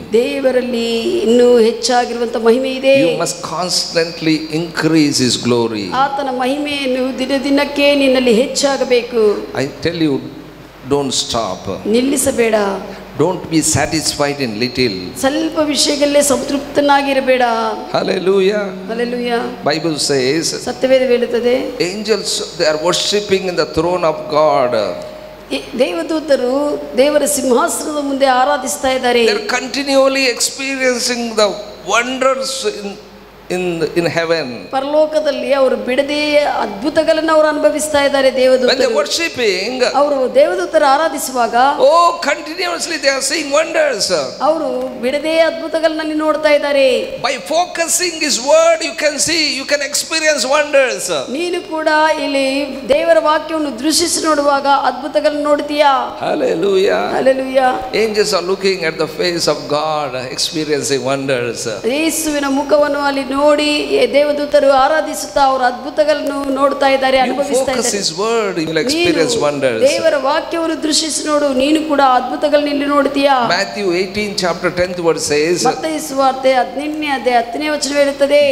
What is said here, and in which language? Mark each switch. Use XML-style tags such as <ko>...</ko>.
<kn>ದೇವರಲ್ಲಿ ಇನ್ನೂ ಹೆಚ್ಚಾಗಿರುವಂತ ಮಹಿಮೆ ಇದೆ.</kn> <en>You must constantly increase his glory.</en> <kn>ಆತನ ಮಹಿಮೆಯನ್ನು ದಿನ ದಿನಕ್ಕೆ ನಿನ್ನಲ್ಲಿ ಹೆಚ್ಚಾಗಬೇಕು.</kn> <en>I tell you, don't stop.</en> <kn>ನಿಲ್ಲಿಸಬೇಡ.</kn> <en>Don't be satisfied in little.</en> <kn>Salpa vishegalle samtruptanagirabeda.</kn> <en>Hallelujah, hallelujah. Bible says,</en> <kn>satyaveda velutade,</kn> <en>angels they are worshiping in the throne of God.</en> <kn>ದೇವದೂತರು ದೇವರ ಸಿಂಹಾಸನದ ಮುಂದೆ ಆರಾಧಿಸ್ತಾ ಇದ್ದಾರೆ.</kn> <en>They are continually experiencing the wonders in in heaven.</en> <kn>ಪರಲೋಕದಲ್ಲಿ ಅವರು ಬಿಡದೆಯ ಅದ್ಭುತಗಳನ್ನು ಅವರು ಅನುಭವಿಸ್ತಾ ಇದ್ದಾರೆ ದೇವದೂತರು.</kn> <en>When they worshiping,</en> <kn>ಅವರು ದೇವದೂತರ ಆರಾಧಿಸುವಾಗ,</kn> <en>oh, continuously they are seeing wonders.</en> <kn>ಅವರು ಬಿಡದೆಯ ಅದ್ಭುತಗಳನ್ನು ನೋಡ್ತಾ ಇದ್ದಾರೆ.</kn> <en>By focusing his word, you can see, you can experience wonders.</en> <kn>ನೀನು ಕೂಡ ಇಲ್ಲಿ ದೇವರ ವಾಕ್ಯವನ್ನು ದೃಶಿಸಿ ನೋಡುವಾಗ ಅದ್ಭುತಗಳನ್ನು ನೋಡ್ತೀಯಾ.</kn> <en>Hallelujah. Hallelujah. Angels are looking at the face of God, experiencing wonders.</en> <kn>ಯೇಸುವಿನ ಮುಖವನ್ನು ಅಲ್ಲಿ ನೋಡಿ ದೇವದೂತರು ಆರಾಧಿಸುತ್ತಾ ಅವರು ಅದ್ಭುತಗಳನ್ನು ನೋಡ್ತಾ ಇದ್ದಾರೆ, ಅನುಭವಿಸ್ತಾ ಇದ್ದಾರೆ. ದೇವರ ವಾಕ್ಯವನ್ನು ದೃಶಿಸಿ ನೋಡು, ನೀನು ಕೂಡ ಅದ್ಭುತಗಳನ್ನು ಇಲ್ಲಿ ನೋಡ್ತೀಯಾ.</kn> <en>Matthew 18 chapter 10th verse says,</en> <kn>ಮತ್ತೆ ಸುವಾರ್ತೆ 18ನೇ ಅಧ್ಯಾಯ 10ನೇ ವಚನ ಹೇಳುತ್ತದೆ.</kn>